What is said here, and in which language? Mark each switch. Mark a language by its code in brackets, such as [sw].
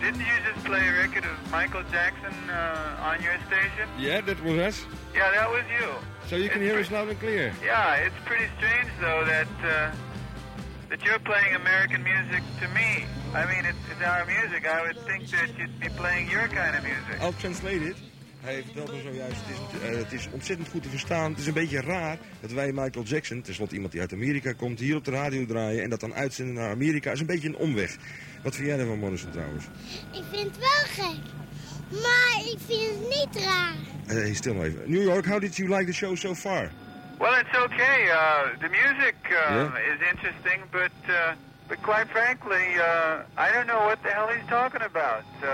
[en] Didn't you just play a record of Michael Jackson on your station? Yeah, that was us. Yeah, that was you. So you can hear us loud and clear. Yeah, it's pretty strange, though, that that you're playing American music to me. I mean, it's our music. I would think that you'd be playing your kind of music. I'll translate it. [nl] Hij vertelt me zojuist, het is ontzettend goed te verstaan. Het is een beetje raar dat wij Michael Jackson, tenslotte iemand die uit Amerika komt, hier op de radio draaien en dat dan uitzenden naar Amerika. Is een beetje een omweg. Wat vind jij ervan, Morrison, trouwens? Ik vind het wel gek, maar ik vind het niet raar. Stil maar even. [en] New York, how did you like the show so far? Well, it's okay. The music is interesting, but quite frankly, I don't know what the hell he's talking about.